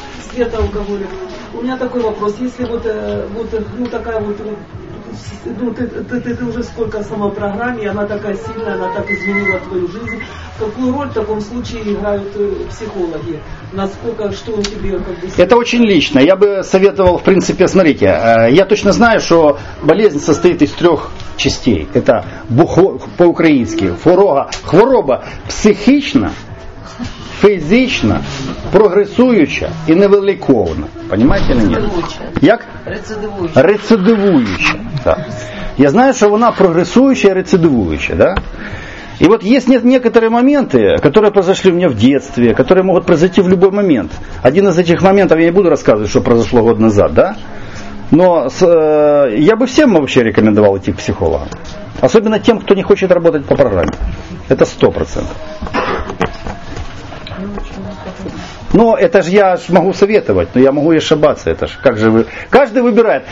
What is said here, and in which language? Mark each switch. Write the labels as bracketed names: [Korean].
[Russian] Света уговорила. У меня такой вопрос. Если вот, вот ну, такая вот, ну, ты уже сколько сама в программе, она такая сильная, она так изменила твою жизнь. Какую роль в таком случае играют психологи? Насколько, что у тебя как бы... Это очень лично. Я бы советовал, в принципе, смотрите, я точно знаю, что болезнь состоит из трех частей. [Ukrainian] Это по-украински хвороба, хвороба психична, фізично, прогресуюча і невеликовна. [Russian] Понимаете или нет? [Ukrainian] Як? Рецидивуюча. [Russian] Да. [Ukrainian] Я знаю, що вона прогресуюча і рецидивуюча. Да? І от є некоторі моменти, які произошли у мене в дитинстві, які можуть произойти в будь-який момент. Один із цих моментів, я не буду розказувати, що [Russian] произошло год назад. [Ukrainian] Да? [Russian] Но я бы всем вообще рекомендовал идти к психологам. Особенно тем, кто не хочет работать по программе. Это 100%. Но это же я ж могу советовать, но я могу и ошибаться. Это ж, как же вы... Каждый выбирает.